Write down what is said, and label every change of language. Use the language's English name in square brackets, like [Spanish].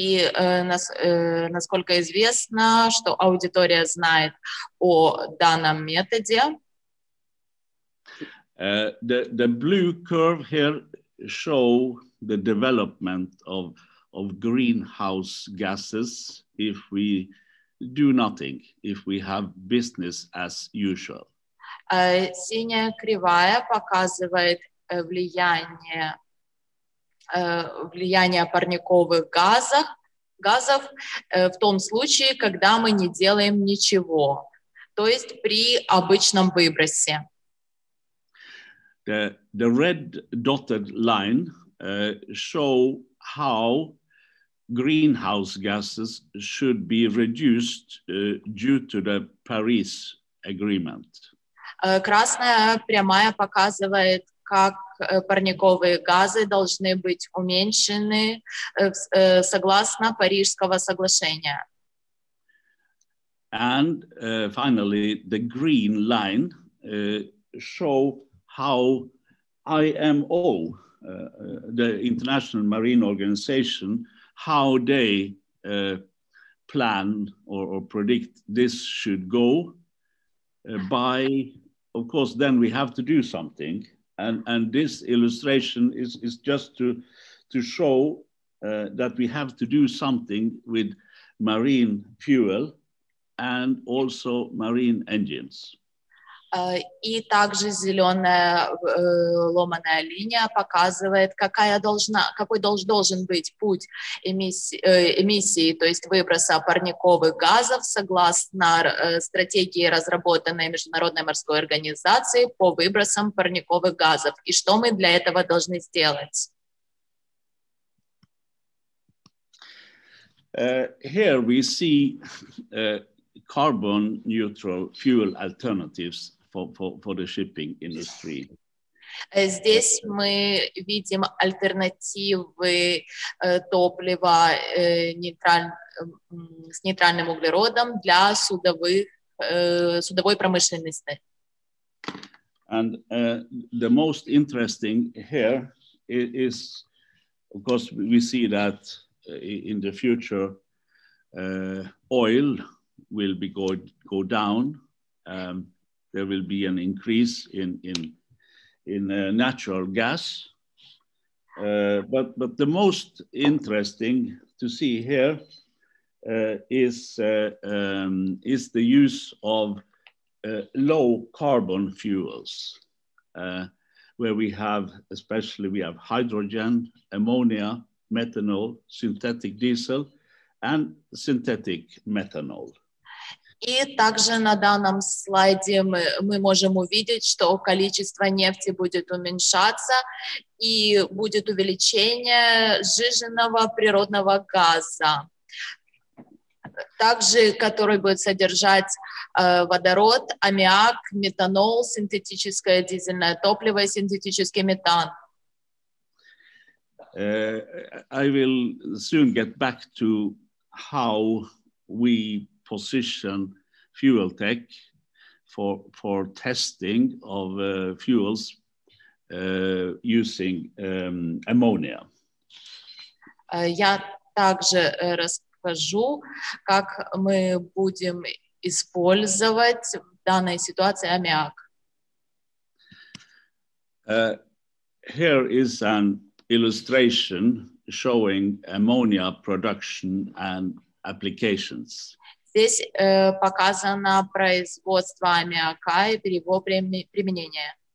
[Russian] Насколько известно, что аудитория знает о данном методе. [English] The blue curve here show the development of greenhouse gases if we do nothing, if we have business as usual. [Russian] Синяя кривая показывает влияние парниковых газов газов в том случае, когда мы не делаем ничего, то есть при обычном выбросе. [English] The red dotted line show how greenhouse gases should be reduced due to the Paris Agreement. [Russian] Красная прямая показывает, как парниковые газы должны быть уменьшены согласно Парижского соглашения. [English] And finally, the green line show how IMO, the International Marine Organization, how they plan or predict this should go by, of course, then we have to do something. And this illustration is just to show that we have to do something with marine fuel and also marine engines. [Russian] И также зеленая ломаная линия показывает, какой должен быть путь эмиссии, то есть выброса парниковых газов согласно стратегии, разработанной Международной морской организацией по выбросам парниковых газов, и что мы для этого должны сделать. [English] Here we see carbon neutral fuel alternatives. For the shipping industry. [Russian] Здесь мы видим альтернативы топлива с нейтральным углеродом для судовой промышленности. [English] And the most interesting here is, of course, we see that in the future oil will be go down. There will be an increase in natural gas, but the most interesting to see here is the use of low carbon fuels, where we have especially hydrogen, ammonia, methanol, synthetic diesel, and synthetic methanol. [Russian] И также на данном слайде мы можем увидеть, что количество нефти будет уменьшаться и будет увеличение сжиженного природного газа, также который будет содержать водород, аммиак, метанол, синтетическое дизельное топливо и синтетический метан. [English] I will soon get back to how we position fuel tech for testing of fuels using ammonia. [Russian] Я также расскажу, как мы будем использовать в данной ситуации аммиак. [English] Here is an illustration showing ammonia production and applications. [Russian] Здесь показано производство аммиака и его применение.